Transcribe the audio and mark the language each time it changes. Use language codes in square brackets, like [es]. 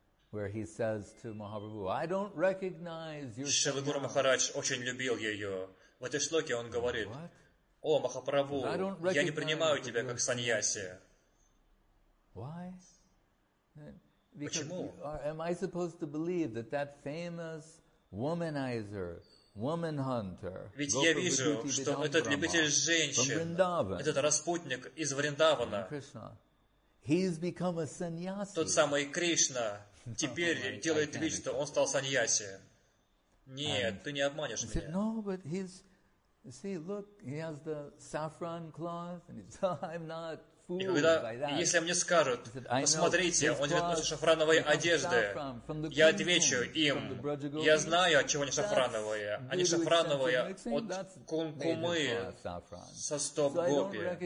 [en] where he says to Mahaprabhu, "I don't recognize your." [ru] Шрила Гуру Махарадж очень любил ее. В этой шлоке он говорит: о, Махапрабху, я не принимаю тебя как саньяси. [en] Why? [ru] Почему? [en] Am I supposed to believe that that famous womanizer, woman hunter? [ru] Ведь я вижу, что этот любитель женщин, этот распутник из Вриндавана, [en] he's become a sannyasi. [ru] Тот самый Кришна теперь делает вид, что он стал саньяси. Нет, ты не обманешь меня. [en] No, but he's see, look, he has the saffron cloth, and he said, "I'm not fooled by that." [ru] Если мне скажут, посмотрите, он одет на шафрановой одежды, я отвечу им: я знаю, от чего они шафрановые. Они шафрановые от кункумы со стоп гопи.